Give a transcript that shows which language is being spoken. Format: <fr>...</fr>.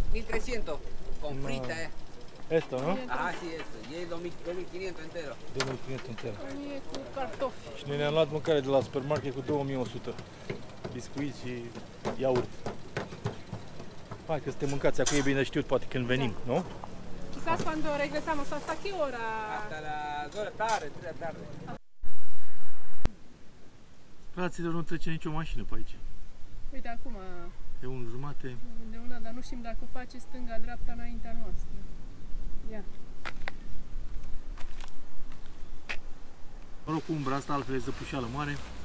<es>1300 con frita, eh. Esto, ¿no? Ah, sí, esto. Y el 2500 entero. 2500 entero.</es> <ro>Y cu cartofi. Și noi ne-am luat mâncare de la supermarket cu 2100. Biscuiți și iaurt. Hai că suntem mâncați, acum e bine știut, poate când venim, da. Nu?</ro> <es>Quizás cuando regresamos, hasta qué hora? Hasta las 2 de la tarde, 3 de la tarde.</es> <ro>Fraților, nu trece nicio mașină pe aici. Uite acum. E un jumate. De una, dar nu știm dacă face stânga, dreapta înaintea noastră. Ia. Mă rog, umbra asta, altfel e zăpușeală mare.</ro>